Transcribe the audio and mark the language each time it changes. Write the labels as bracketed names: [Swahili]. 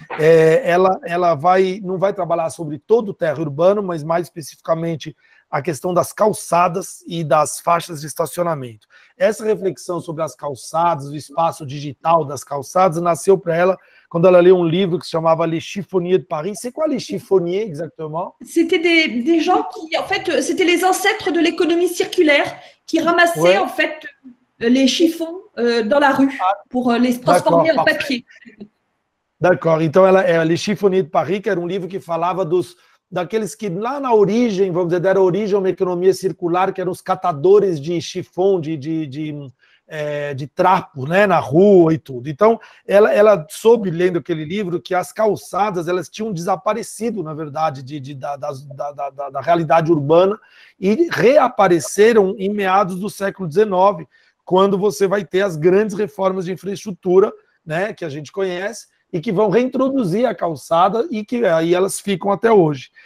[Portuguese] Ela não vai trabalhar sobre todo o terreno urbano, mas mais especificamente a questão das calçadas e das faixas de estacionamento. Essa reflexão sobre as calçadas, o espaço digital das calçadas, nasceu para ela quando ela leu um livro que se chamava Les Chiffonniers de Paris. [French] C'est quoi les chiffonniers, exactement? C'était des gens qui, en fait, c'était les ancêtres de l'économie circulaire qui ramassaient, ouais, en fait, les chiffons dans la rue pour les transformer en parfait papier. D'accord. [Portuguese] Então, Les Chiffonniers de Paris, que era um livro que falava daqueles que lá na origem, vamos dizer, deram origem a uma economia circular, que eram os catadores de chifão, de trapo, né, na rua e tudo. Então, ela soube, lendo aquele livro, que as calçadas elas tinham desaparecido, na verdade, da realidade urbana e reapareceram em meados do século XIX, quando você vai ter as grandes reformas de infraestrutura, né, que a gente conhece, e que vão reintroduzir a calçada e que aí elas ficam até hoje.